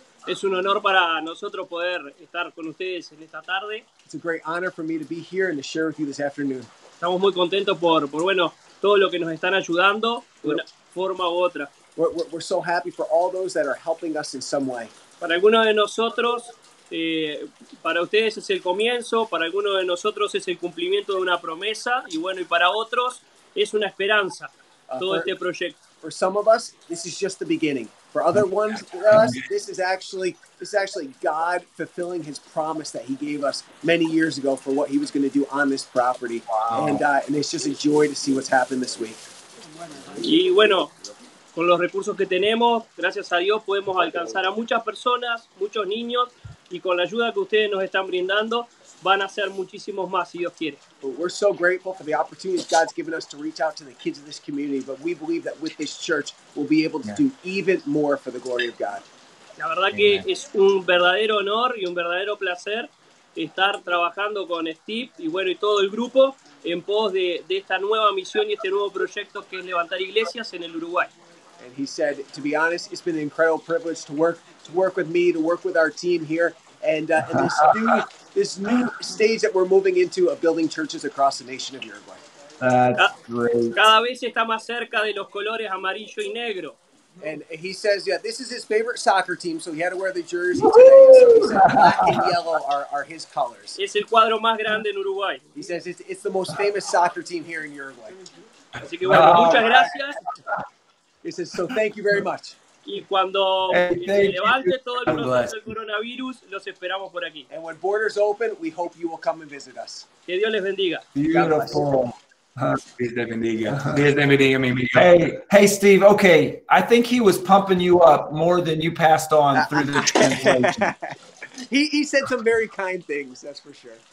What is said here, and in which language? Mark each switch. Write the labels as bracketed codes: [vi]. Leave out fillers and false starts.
[es] Es un honor para nosotros poder estar con ustedes en esta tarde. [en] It's a great honor for me to be here and to share with you this afternoon. [es] Estamos muy contentos por todo lo que nos están ayudando de una forma u otra. [en] We're so happy for all those that are helping us in some way. [es] Para algunos de nosotros, para ustedes es el comienzo, para algunos de nosotros es el cumplimiento de una promesa, y bueno, y para otros es una esperanza, este proyecto. [en] For some of us, this is just the beginning. For other ones, for us, this is actually God fulfilling his promise that he gave us many years ago for what he was going to do on this property. Wow. And it's just a joy to see what's happened this week. [es] Y bueno, con los recursos que tenemos, gracias a Dios, podemos alcanzar a muchas personas, muchos niños, y con la ayuda que ustedes nos están brindando, van a ser muchísimos más, si Dios quiere. [en] But we're so grateful for the opportunities God's given us to reach out to the kids of this community, but we believe that with this church, we'll be able to do even more for the glory of God. [es] La verdad que es un verdadero honor y un verdadero placer estar trabajando con Steve y bueno, y todo el grupo en pos de esta nueva misión y este nuevo proyecto que es levantar iglesias en el Uruguay. [en] And he said, to be honest, it's been an incredible privilege to work with me, to work with our team here, and this new stage that we're moving into of building churches across the nation of Uruguay. That's great. [es] Cada vez está más cerca de los colores amarillo y negro. [en] And he says, yeah, this is his favorite soccer team, so he had to wear the jersey today. So he said black and yellow are his colors. [es] Es el cuadro más grande en Uruguay. [en] He says it's the most famous soccer team here in Uruguay. [es] Así que bueno, muchas gracias. [en] He says, so thank you very much. [es] Y cuando levante todo el proceso del coronavirus, los esperamos por aquí. [en] And when borders open, we hope you will come and visit us. [es] Que Dios les bendiga. [en] Beautiful. Hey, Steve. Okay, I think he was pumping you up more than you passed on through the translation. he said some very kind things. That's for sure.